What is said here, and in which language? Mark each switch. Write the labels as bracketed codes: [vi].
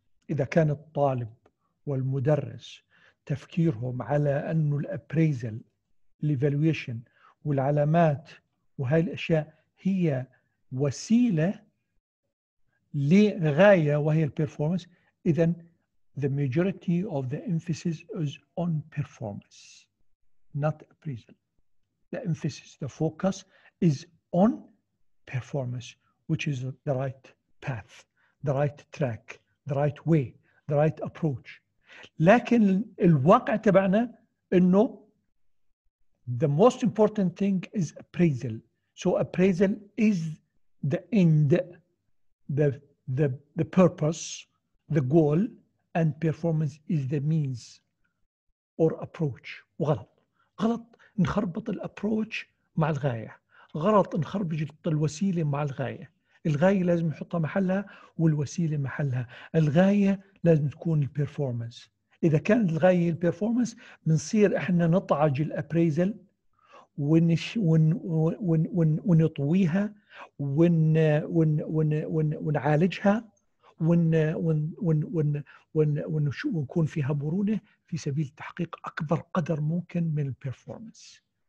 [ar] إذا كان الطالب والمدرس تفكيرهم على أنه الابريزل، الايفالويشن والعلامات وهذه الأشياء هي وسيلة لغاية وهي البرفورمانس، إذن [en] the majority of the emphasis is on performance. Not appraisal. The emphasis, the focus is on performance, which is the right path, the right track, the right way, the right approach. [ar] لكن الواقع تبعنا إنه [en] the most important thing is appraisal. So appraisal is the end, the purpose, the goal, and performance is the means or approach. [ar] وغلط. غلط نخربط الابروتش مع الغايه، غلط نخربج الوسيله مع الغايه. الغايه لازم نحطها محلها والوسيله محلها. الغايه لازم تكون البيرفورمانس. اذا كانت الغايه البيرفورمانس بنصير احنا نطعج الابريزل ونطويها ونعالجها ونكون فيها مرونة في سبيل تحقيق أكبر قدر ممكن من البرفورمانس.